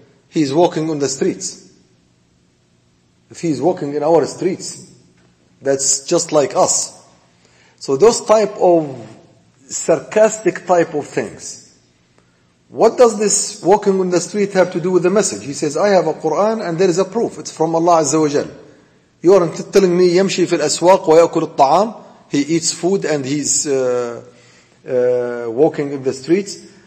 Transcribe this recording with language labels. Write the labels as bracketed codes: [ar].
[en] He is walking on the streets. If he is walking in our streets, that's just like us." So those type of sarcastic type of things. What does this walking on the street have to do with the message? He says, "I have a Quran and there is a proof. It's from Allah Azza wa Jal. You aren't telling me [ar] يمشي في الأسواق ويأكل الطعام. [en] He eats food and he's walking in the streets."